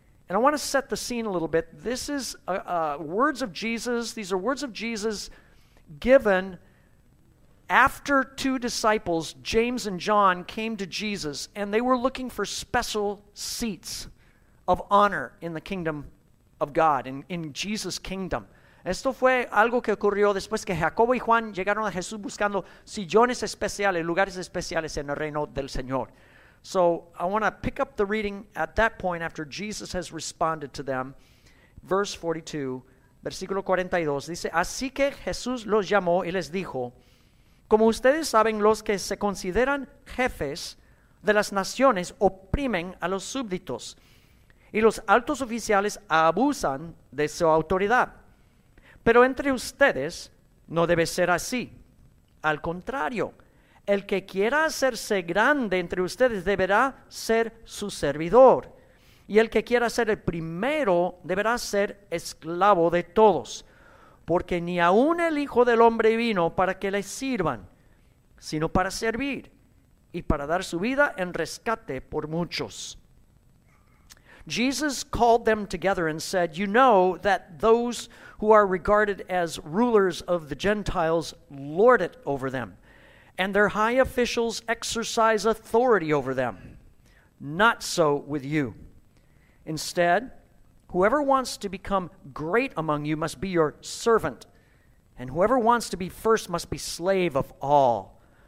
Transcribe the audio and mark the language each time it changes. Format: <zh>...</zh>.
<en>And I want to set the scene a little bit. This is words of Jesus. These are words of Jesus given after two disciples, James and John, came to Jesus, and they were looking for special seats of honor in the kingdom of God, in Jesus' kingdom.</en> <es>Esto fue algo que ocurrió después que Jacobo y Juan llegaron a Jesús buscando sillones especiales, lugares especiales en el reino del Señor.</es> <en>So I want to pick up the reading at that point after Jesus has responded to them. Verse 42,</en> <es>versículo 42, dice, así que Jesús los llamó y les dijo, como ustedes saben, los que se consideran jefes de las naciones oprimen a los súbditos y los altos oficiales abusan de su autoridad. Pero entre ustedes no debe ser así. Al contrario, el que quiera hacerse grande entre ustedes deberá ser su servidor. Y el que quiera ser el primero deberá ser esclavo de todos. Porque ni aun el Hijo del Hombre vino para que le sirvan, sino para servir y para dar su vida en rescate por muchos.</es> <en>Jesus called them together and said, you know that those who are regarded as rulers of the Gentiles lord it over them, and their high officials exercise authority over them. Not so with you. Instead, whoever wants to become great among you must be your servant, and whoever wants to be first must be slave of all.</en>